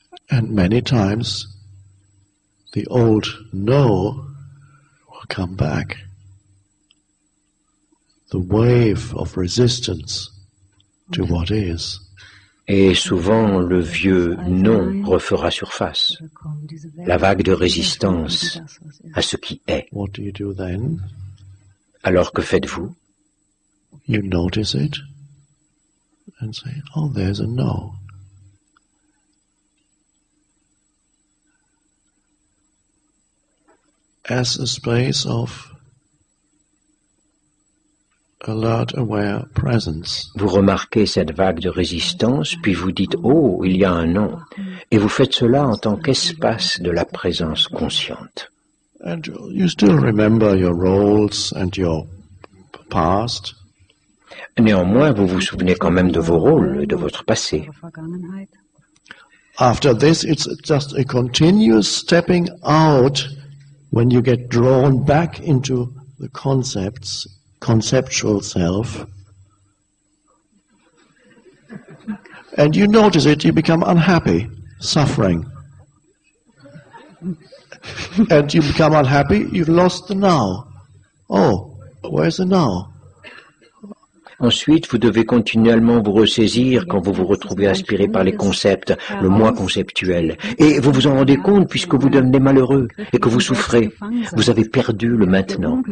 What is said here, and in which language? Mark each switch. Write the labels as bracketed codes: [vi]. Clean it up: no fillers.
[en] And many times, the old no will come back. The wave of resistance to what is. [fr] Et souvent, le vieux non refera surface. La vague de résistance à ce qui est. [en] What do you do then? [fr] Alors que faites-vous? [en] You notice it and say, oh, there's a no. As a space of alert, aware presence. [fr] Vous remarquez cette vague de résistance, puis vous dites, oh, il y a un nom. Et vous faites cela en tant qu'espace de la présence consciente. [en] And you still remember your roles and your past. [fr] Néanmoins, vous vous souvenez quand même de vos rôles et de votre passé. [en] After this, it's just a continuous stepping out. When you get drawn back into the concepts, conceptual self, and you notice it, you become unhappy, suffering. And you become unhappy, you've lost the now. Oh, where's the now? [fr] Ensuite, vous devez continuellement vous ressaisir quand vous vous retrouvez aspiré par les concepts, le moi conceptuel. Et vous vous en rendez compte puisque vous devenez malheureux et que vous souffrez. Vous avez perdu le maintenant.